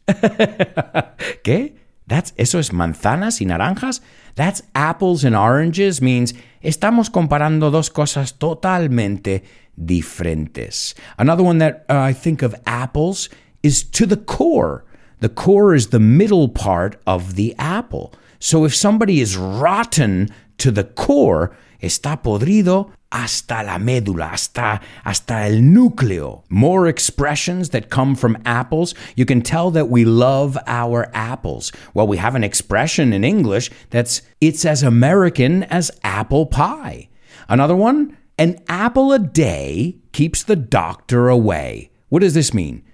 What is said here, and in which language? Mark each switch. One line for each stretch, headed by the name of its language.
Spanish: ¿Qué?
English: That's
Spanish: eso es manzanas y naranjas?
English: That's apples and oranges means
Spanish: estamos comparando dos cosas totalmente diferentes.
English: Another one that I think of apples is to the core. The core is the middle part of the apple. So if somebody is rotten to the core,
Spanish: está podrido hasta la médula, hasta el núcleo.
English: More expressions that come from apples. You can tell that we love our apples. Well, we have an expression in English that's, it's as American as apple pie. Another one, an apple a day keeps the doctor away. What does this mean?